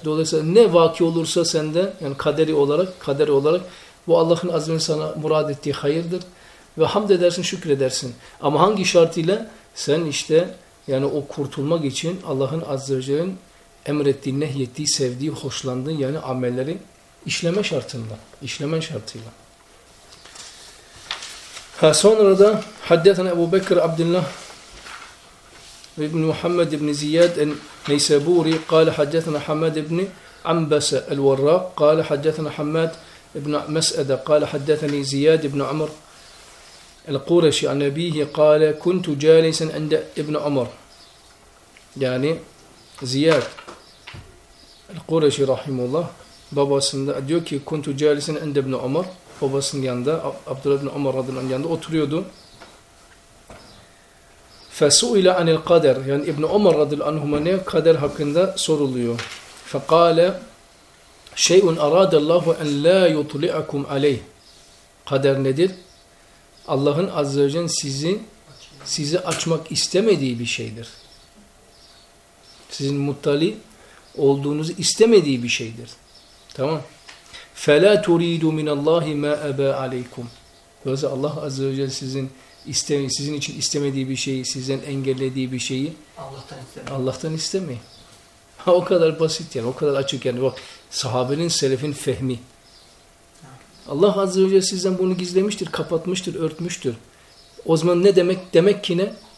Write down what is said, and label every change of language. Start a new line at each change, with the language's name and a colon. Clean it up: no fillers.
Turkish: Dolayısıyla ne vaki olursa sende yani kaderi olarak bu Allah'ın azze ve celle sana murad ettiği hayırdır. Ve hamd edersin, şükredersin. Ama hangi şartıyla? Sen işte Yani o kurtulmak için Allah'ın azze ve celle'nin emrettiği, nehyettiği, sevdiği, hoşlandığı yani amelleri işleme şartında, işleme şartıyla. Ha sonra da
Arabic: haddetana Ebu Bekir Abdullah İbn Muhammed İbn Ziyad el-Neysaburi قال حدثنا حماد بن عنبسة الوراق قال حدثنا حماد بن مسأدة قال حدثني زياد بن عمر القرشي عن أبيه قال كنت جالسا عند ابن عمر يعني زياد القرشي رحمه الله
Turkish: باباسن diyor ki
Arabic: كنت جالسا عند ابن عمر
Turkish: babasının yanında
Arabic: عبد الله بن عمر رضي الله عنه
Turkish: yanında oturuyordu.
Arabic: فسئل عن القدر يعني ابن عمر رضي الله عنهما قدر
Turkish: hakkında soruluyor.
Arabic: فقال شيء اراد الله ان لا يطلعكم عليه.
Turkish: قدر nedir? Allah'ın azze ve celle sizi açmak istemediği bir şeydir. Sizin muttali olduğunuzu istemediği bir şeydir. Tamam?
Arabic: فلا تريد من الله ما ابى عليكم.
Turkish: Yani Allah azze ve celle sizin için istemediği bir şeyi, sizden engellediği bir şeyi Allah'tan istemeyin. Ha o kadar basit yani, o kadar açık yani. Bak sahabenin, selefin fehmi. Allah azze ve celle sizden bunu gizlemiştir, kapatmıştır, örtmüştür. O zaman ne demek? Demek ki ne?